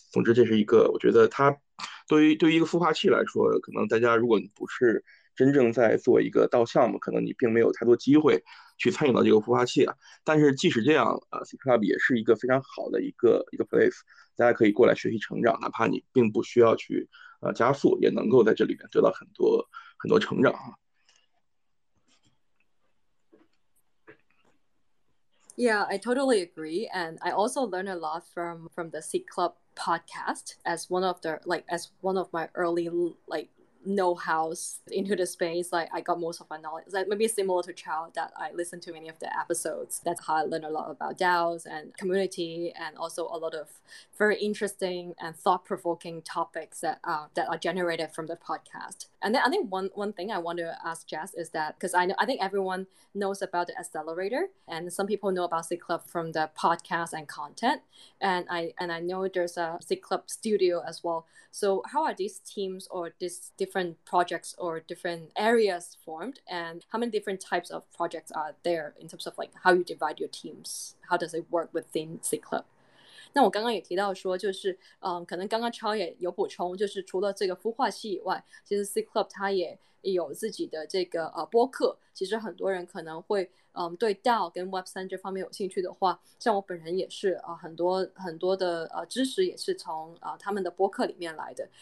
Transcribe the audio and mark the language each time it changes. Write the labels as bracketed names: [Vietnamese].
[Chinese] 总之，这是一个我觉得它对于一个孵化器来说，可能大家如果你不是真正在做一个 DAO 项目，可能你并没有太多机会去参与到这个孵化器啊。但是即使这样，C Club 也是一个非常好的一个 place，大家可以过来学习成长，哪怕你并不需要去加速，也能够在这里面得到很多很多成长啊。 [English] Yeah, I totally agree, and I also learned a lot from the Seed Club podcast as one of the like as one of my early like know hows into the space. Like I got most of my knowledge, like maybe similar to Chao, that I listened to many of the episodes. That's how I learned a lot about DAOs and community, and also a lot of very interesting and thought-provoking topics that are generated from the podcast. And then I think one thing I want to ask Jess is that, because I think everyone knows about the accelerator, and some people know about Seed Club from the podcast and content. And I know there's a Seed Club studio as well. So how are these teams or these different projects or different areas formed? And how many different types of projects are there in terms of like how you divide your teams? How does it work within Seed Club? [Chinese] 那我刚刚也提到说，就是，可能刚刚超也有补充，就是除了这个孵化器以外，其实 C Club 它也有自己的这个播客。其实很多人可能会，对 DAO 跟 Web 3这方面有兴趣的话，像我本人也是，很多的知识也是从他们的播客里面来的。